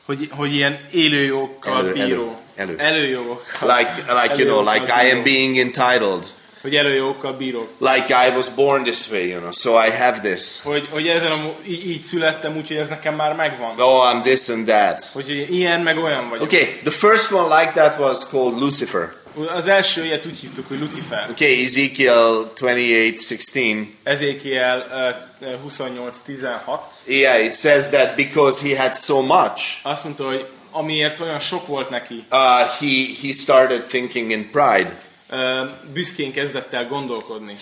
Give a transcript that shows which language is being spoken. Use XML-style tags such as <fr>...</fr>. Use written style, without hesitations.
<hu>Hogy ilyen élőjogokkal bíró. Előjogokkal.</hu> <en>Like you know, like I am being entitled.</en> <hu>Hogy előjogokkal bírok.</hu> <en>Like I was born this way, you know, so I have this.</en> <hu>Hogy ezen így születtem, úgyhogy ez nekem már megvan.</hu> <en>Oh, I'm this and that.</en> <hu>Hogy ilyen meg olyan vagyok.</hu> <en>Okay, the first one like that was called Lucifer.</en> <hu>Az első ilyet úgy hívtuk, hogy Lucifer.</hu> <en>Okay, Ezekiel 28:16.</en> <hu>Ezekiel 28:16.</hu> <en>Yeah, it says that because he had so much.</en> <hu>Azt mondta, hogy amiért olyan sok volt neki.</hu> <en>He started thinking in pride.</en> <hu>Büszkén kezdett el gondolkodni.</hu>